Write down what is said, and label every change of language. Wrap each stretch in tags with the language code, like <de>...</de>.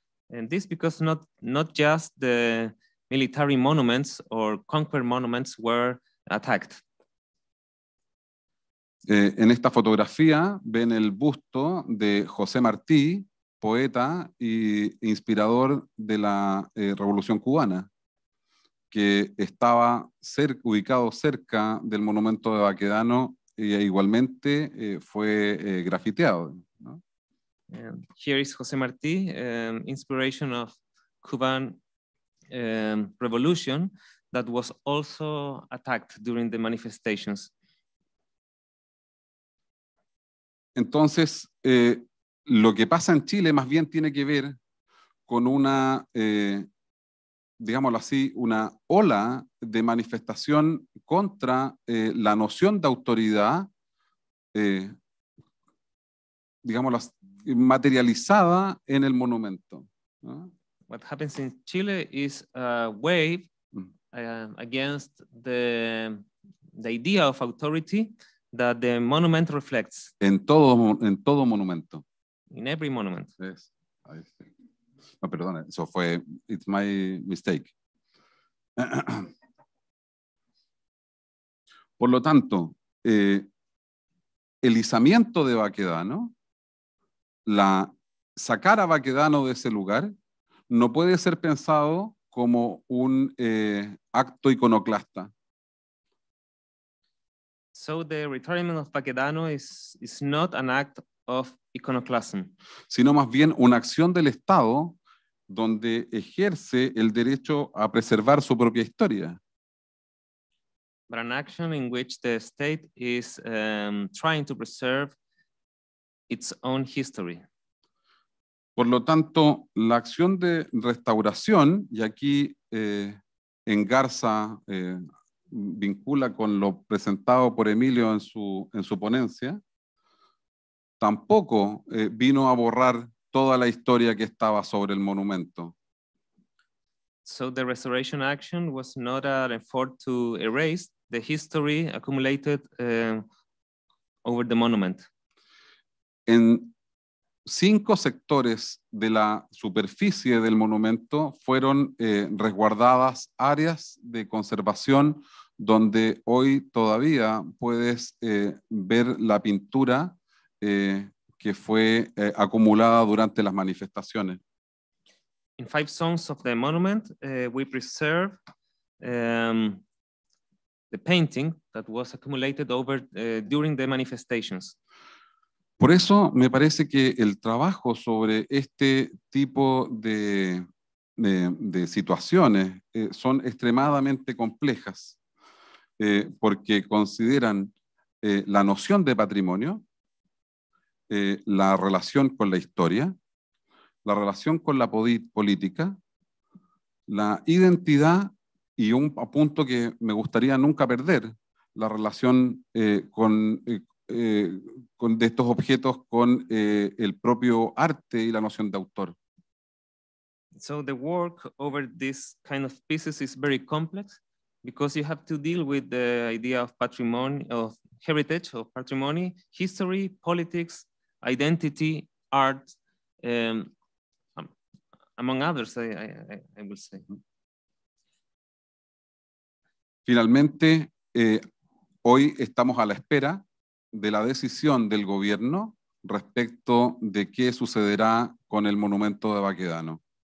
<en>And this because not just the military monuments or conquered monuments were attacked.</en> <es>En esta fotografía ven el busto de José Martí, poeta e inspirador de la Revolución Cubana, que estaba ubicado cerca del monumento de Baquedano y igualmente fue grafiteado, ¿no?</es> <en>Here is José Martí, inspiration of Cuban revolution that was also attacked during the manifestations.</en> <es>Entonces, lo que pasa en Chile más bien tiene que ver con una, digámoslo así, una ola de manifestación contra la noción de autoridad, digámoslo así, materializada en el monumento, ¿no?</es> <en>What happens in Chile is a wave against the idea of authority that the monument reflects.</en> <es>En todo monumento.</es> <en>In every monument. Yes.</en> <es>No, perdón, eso fue,</es> <en>it's my mistake.</en> <es>Por lo tanto, el izamiento de Baquedano, sacar a Baquedano de ese lugar, no puede ser pensado como un acto iconoclasta.</es> <en>So the retirement of Baquedano is not an act of iconoclasm.</en> <es>Sino más bien una acción del Estado donde ejerce el derecho a preservar su propia historia.</es> <en>But an action in which the state is trying to preserve its own history.</en> <es>Por lo tanto, la acción de restauración, y aquí engarza, vincula con lo presentado por Emilio en su ponencia, tampoco vino a borrar toda la historia que estaba sobre el monumento.</es> <en>So the restoration action was not an effort to erase the history accumulated over the monument.</en> <es>En 5 sectores de la superficie del monumento fueron resguardadas áreas de conservación donde hoy todavía puedes ver la pintura que fue acumulada durante las manifestaciones.</es> <en>In 5 zones of the monument, we preserve the painting that was accumulated over during the manifestations.</en> <es>Por eso me parece que el trabajo sobre este tipo de situaciones son extremadamente complejas, porque consideran la noción de patrimonio, la relación con la historia, la relación con la política, la identidad y un punto que me gustaría nunca perder, la relación con de estos objetos con el propio arte y la noción de autor.</es> <en>So the work over this kind of pieces is very complex because you have to deal with the idea of patrimony, of heritage, of patrimony, history, politics, identity, art, among others, I will say.</en> <es>Finalmente, hoy estamos a la espera de la decisión del gobierno respecto de qué sucederá con el monumento de Baquedano.</es>